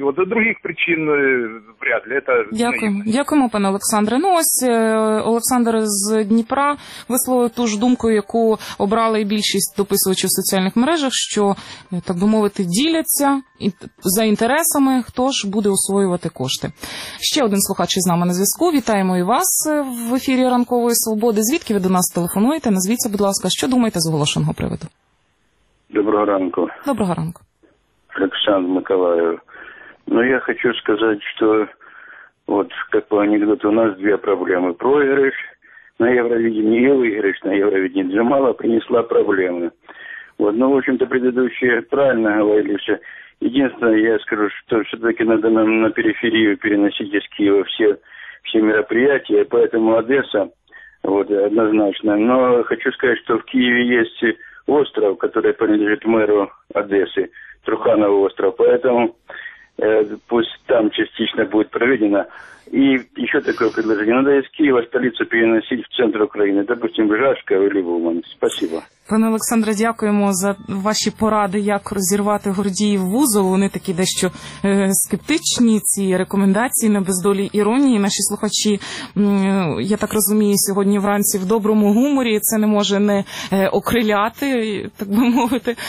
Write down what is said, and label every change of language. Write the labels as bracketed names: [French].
[Russian] Вот других причин вряд ли. Это [Ukrainian] дякуємо. Наївно. Дякуємо, пане Олександре. Ну, ось Олександр з Дніпра висловив ту ж думку, яку обрали більшість дописувачів в соціальних мережах, що, так би мовити, діляться за інтересами, хто ж буде освоювати кошти. Ще один слухач із нами на зв'язку. Вітаємо і вас в ефірі «Ранкової свободи». Звідки ви до нас телефонуєте? Назвіться, будь ласка, що думаєте з оголошеного приводу? Доброго ранку. Доброго ранку. Александр Миколаев. [Russian] Ну, я хочу сказать, что вот, как по анекдоту, у нас две проблемы. Проигрыш на Евровидении и выигрыш на Евровидении. Джамала принесла проблемы. Вот, ну, в общем-то, предыдущие правильно говорили все. Единственное, я скажу, что все-таки надо нам на периферию переносить из Киева все мероприятия, поэтому Одесса, вот, однозначно. Но хочу сказать, что в Киеве есть остров, который принадлежит мэру Одессы, Труханова остров, поэтому пусть там частично будет проведено. И еще такое предложение. Надо из Киева столицу переносить в центр України, допустим, в Жашка или в Умань. Спасибо. [Ukrainian] Пане Олександре, дякуємо за ваші поради, як розірвати Гордіїв вузол. Вони такі дещо скептичні, ці рекомендації на бездолі іронії. Наші слухачі, я так розумію, сьогодні вранці в доброму гуморі, це не може не окриляти, так би мовити.